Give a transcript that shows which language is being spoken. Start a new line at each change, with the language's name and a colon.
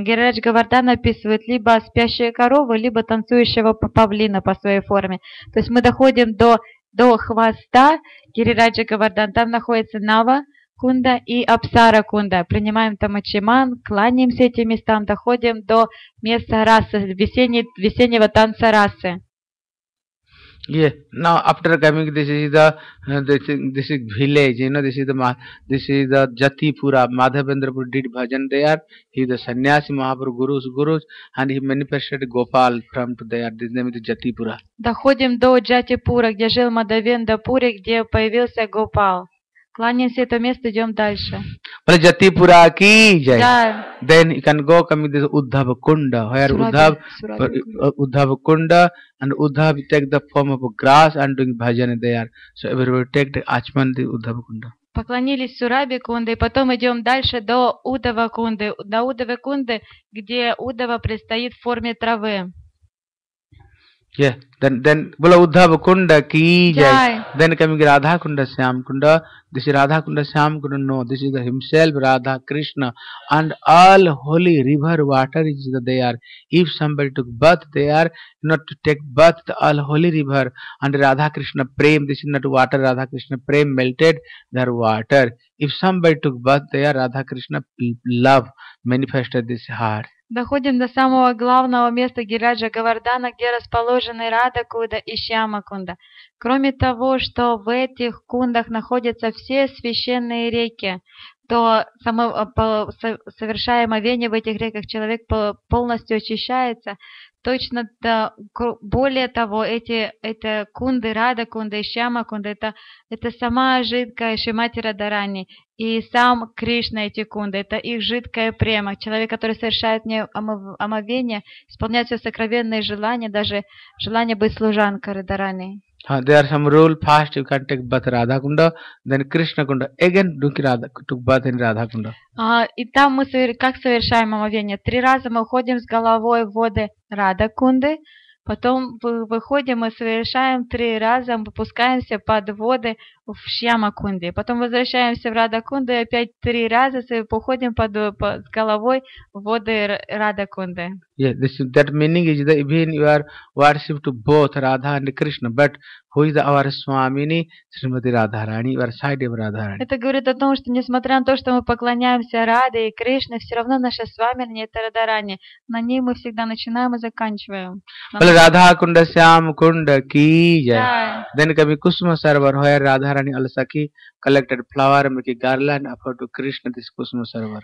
Russian: Гирираджа Говардхана описывает либо спящие коровы, либо танцующего павлина по своей форме. То есть мы доходим до хвоста Гирираджа Говардхан, там находится Нава Кунда и Апсара Кунда. Принимаем там Ачиман, кланяемся этим местам, доходим до места расы, весеннего танца расы.
English: Yeah. Now after coming, this is village, you know, this is the Jatipura. Madhavendrapur did bhajan there. He is the sannyasi Mahaprabhu Guru's Guru, and he manifested Gopal from there. This name is Jatipura.
Russian: Доходим до Джатипура, где жил Мадхавендрапури, где появился Гопал. Кланяемся это место, идем дальше.
English: But Jatipura ki jai.
Russian: Да.
English: Then you can go coming this Uddhav Kunda. Where Uddhav, Uddhav Kunda and Uddhav take the form of grass and doing bhajan there. So everybody take the Achman the Uddhav Kunda.
Russian: Поклонились Сураби Кунды, потом идем дальше до Удава Кунды. До Удава Кунды, где Удава предстоит в форме травы.
English: Yeah, then bula Uddhava Kunda ki jai. Then coming Radha Kunda Syam Kunda. This is Radha Kunda Syam Kunda. No, this is the himself Radha Krishna. And all holy river water is there. If somebody took birth there, not to take birth to all holy river. And Radha Krishna Prem, this is not water, Radha Krishna Prem melted their water. If somebody took birth there, Radha Krishna love manifested this heart.
Russian: Доходим до самого главного места Гирираджа Говардхана, где расположены Радха Кунда и Шьяма Кунда. Кроме того, что в этих кундах находятся все священные реки, то совершая омовение в этих реках, человек полностью очищается. Точно, да, более того, эти кунды, Радха Кунда и Шьяма Кунда, это сама жидкая Шримати Радхарани. И сам Кришна эти кунды, это их жидкая према. Человек, который совершает мне омовение, исполняет все сокровенные желания, даже желание быть служанкой Радхарани.
English: There are some rule fast you can take bath Radha Kunda, then Krishna Kunda, again took bath in Radha Kunda.
Russian: И там мы как совершаем омовение? Три раза мы уходим с головой в воды Радха Кунды, потом выходим и совершаем три раза, мы выпускаемся под воды в Шьяма Кунде, потом возвращаемся в Радха Кунду и опять три раза уходим с головой в воды Радха Кунды.
English: Yeah, this is, that meaning is that even you are worship to both Radha and Krishna, but who is our Swamini? Srimati Radharani, your side of Radharani.
Russian: Это говорит о том, что несмотря на то, что мы поклоняемся Раде и Кришне, все равно наша Свамини это Радхарани. На ней мы всегда начинаем и заканчиваем.
English: Radha Kunda Syam Kunda ki jai. Then coming Kusuma Sarovar, where Radha Radharani Alasaki collected flower, make a garland, offered to Krishna this Kusuma Sarovar.